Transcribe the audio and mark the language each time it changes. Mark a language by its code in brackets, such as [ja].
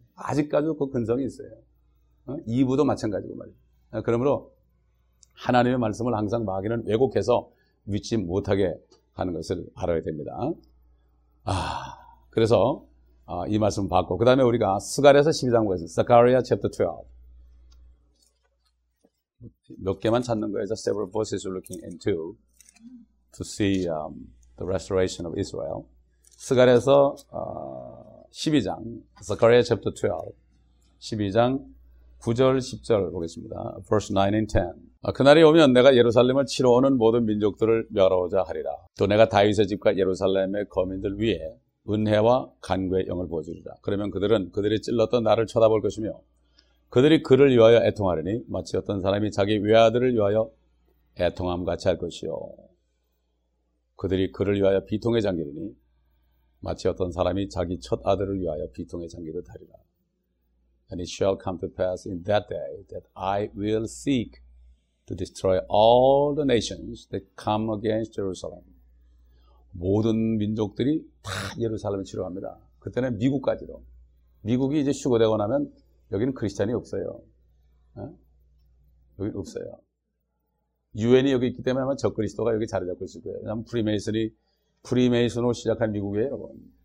[ko] 아직까지도 그 근성이 있어요. 이부도 마찬가지고 말이죠. 그러므로 하나님의 말씀을 항상 마귀는 왜곡해서 믿지 못하게 하는 것을 알아야 됩니다. 그래서 이 말씀 받고 그 다음에 우리가 스가랴서 12장 보겠습니다. 스가랴 챕터 12. 몇 개만 찾는 거예요. [en] Several verses looking into to see the restoration of Israel. [ko] 스가랴서 12장, [en] Zechariah chapter 12, [ko] 12장 9절, 10절 보겠습니다. [en] Verse 9 and 10. [ko] 그날이 오면 내가 예루살렘을 치러 오는 모든 민족들을 멸하고자 하리라. 또 내가 다윗의 집과 예루살렘의 거민들 위에 은혜와 간구의 영을 부어주리라. 그러면 그들은 그들이 찔렀던 나를 쳐다볼 것이며 그들이 그를 위하여 애통하리니 마치 어떤 사람이 자기 외아들을 위하여 애통함 같이 할 것이요. 그들이 그를 위하여 비통해 잠기리니 마치 어떤 사람이 자기 첫 아들을 위하여 비통의 장기를 다리라. [en] And it shall come to pass in that day that I will seek to destroy all the nations that come against Jerusalem. [ko] 모든 민족들이 다 예루살렘을 치러 갑니다. 그때는 미국까지도. 미국이 이제 휴거되고 나면 여기는 크리스찬이 없어요. 여기 없어요. 유엔이 여기 있기 때문에 아마 적그리스도가 여기 자리 잡고 있을 거예요. 왜냐하면 프리메이슨으로 시작한 미국이에요, 여러분.